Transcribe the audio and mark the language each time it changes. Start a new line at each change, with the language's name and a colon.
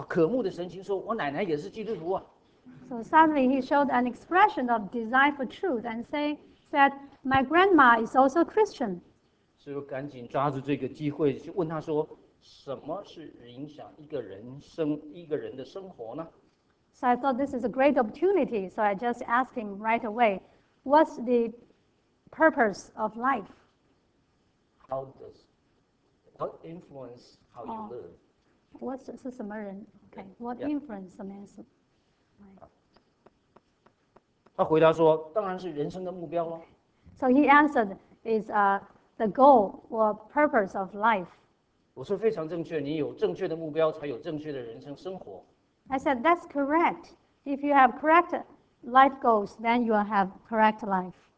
Chinese: 他的眼睛忽然爆出这个渴慕的神情，说我奶奶也是基督徒啊。
English: So suddenly he showed an expression of desire for truth and said, my grandma is also Christian.
Chinese: 所以我赶紧抓住这个机会去问他说， 什么是影响一个人生、一个人的生活呢？
English: So I thought this is a great opportunity, so I just asked him right away, what's the purpose of life? How does, what influence how you live? What's
Chinese: 是什么人?
English: Okay, what influence a man's life?
Chinese: 他回答说, 当然是人生的目标咯。
English: So he answered, it's the goal or purpose of life.
Chinese: 我说非常正确，你有正确的目标，才有正确的人生生活。
English: I said that's correct. If you have correct life goals, then you will have correct life.